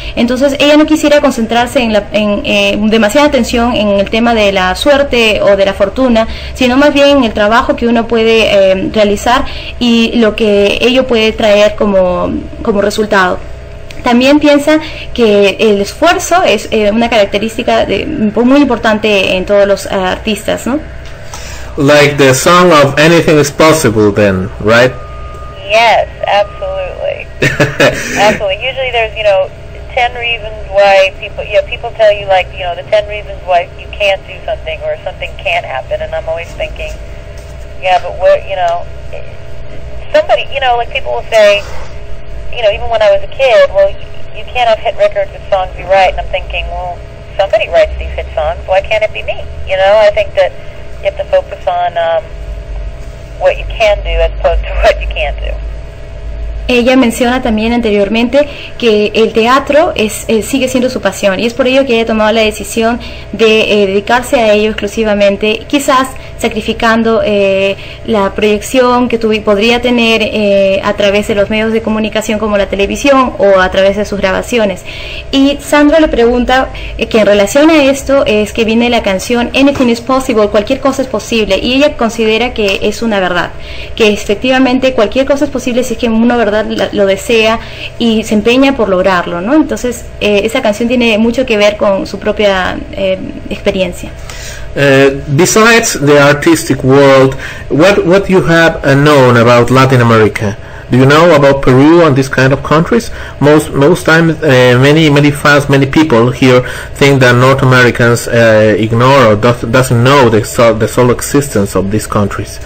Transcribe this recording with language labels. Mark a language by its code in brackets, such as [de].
[es] Entonces, ella no quisiera concentrarse en demasiada atención en el tema de la suerte o de la fortuna, sino más bien en el trabajo que uno puede realizar y lo que ello puede traer como resultado. También piensa que el esfuerzo es una característica muy importante en todos los artistas, ¿no? [en] Like the song of Anything is Possible, then, right? Yes, absolutely. Absolutely. Usually there's, you know, 10 reasons why people tell you, like, you know, the 10 reasons why you can't do something or something can't happen, and I'm always thinking, yeah, but what, you know, somebody, you know, like people will say, you know, even when I was a kid, well, you can't have hit records with songs you write. And I'm thinking, well, somebody writes these hit songs. Why can't it be me? You know, I think that you have to focus on what you can do as opposed to what you can't do. [es] Ella menciona también anteriormente que el teatro sigue siendo su pasión, y es por ello que ella ha tomado la decisión de dedicarse a ello exclusivamente, quizás sacrificando la proyección que podría tener a través de los medios de comunicación como la televisión o a través de sus grabaciones. Y Sandra le pregunta que en relación a esto es que viene la canción Anything is Possible, cualquier cosa es posible, y ella considera que es una verdad, que efectivamente cualquier cosa es posible si es que uno verdaderamente verdad lo desea y se empeña por lograrlo, ¿no? Entonces, esa canción tiene mucho que ver con su propia experiencia. [en] Besides the artistic world, what you have known about Latin America? Do you know about Peru and these kind of countries? Most times, many fans, many people here think that North Americans ignore or doesn't know the sole existence of these countries.